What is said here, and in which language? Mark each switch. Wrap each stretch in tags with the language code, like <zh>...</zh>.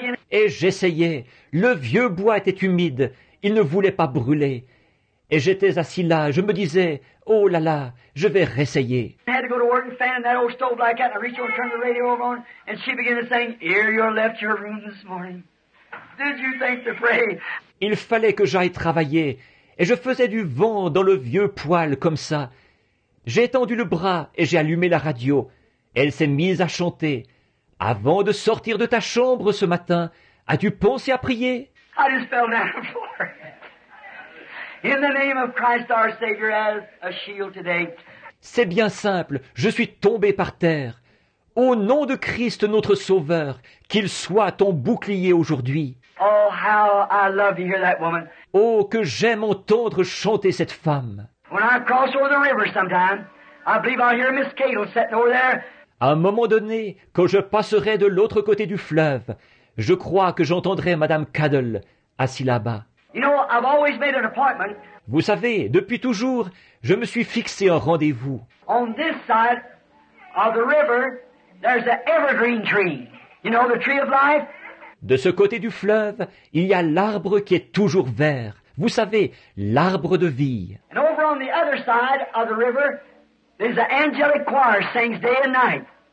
<fr>Et j'essayais, le vieux bois était humide, il ne voulait pas brûler. Et j'étais assis là, je me disais, oh là là, je vais réessayer.</fr> <en>I had to go to work and fan in that old stove like that, and I reached over and turned the radio over on, and she began to sing, "Ere you left your room this morning, did you think to pray?"</en> <fr>Il fallait que j'aille travailler, et je faisais du vent dans le vieux poêle comme ça. J'ai étendu le bras et j'ai allumé la radio. Elle s'est mise à chanter. Avant de sortir de ta chambre ce matin, as-tu pensé à prier?</fr> <en>I just fell down the floor. In the name of Christ our Savior as a shield today.</en> <fr>C'est bien simple, je suis tombé par terre. Au nom de Christ notre Sauveur, qu'il soit ton bouclier aujourd'hui.</fr> <en>Oh, how I love to hear that woman.</en> <fr>Oh, que j'aime entendre chanter cette femme.</fr> <en>When I cross over the river sometime, I believe I'll hear Miss Cato sitting over there.</en> <fr>À un moment donné, quand je passerai de l'autre côté du fleuve, je crois que j'entendrai Madame Cadle assis là-bas.</fr> <en>You know, I've always made an appointment.</en> <fr>Vous savez, depuis toujours, je me suis fixé un rendez-vous.</fr> <en>On this side of the river, there's an evergreen tree. You know, the tree of life.</en> <fr>De ce côté du fleuve, il y a l'arbre qui est toujours vert. Vous savez, l'arbre de vie.</fr> <en>And over on the other side of the river, there's an angelic choir sings day and night.</en>